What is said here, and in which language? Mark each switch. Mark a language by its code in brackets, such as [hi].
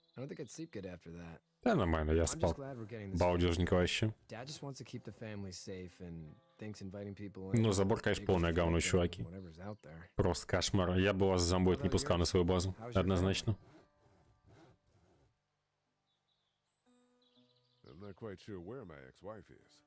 [en] I don't think I'd sleep good after that. [ru] Да, нормально, я спал. Балдежника вообще. [en] Dad just wants to keep the family safe and thinks inviting people [ru] in. Ну, забор, конечно, полное говно, чуваки. Просто кошмар. Я бы вас с зомбой не пускал на свою базу. Однозначно. [en] I'm not quite sure where my ex-wife is.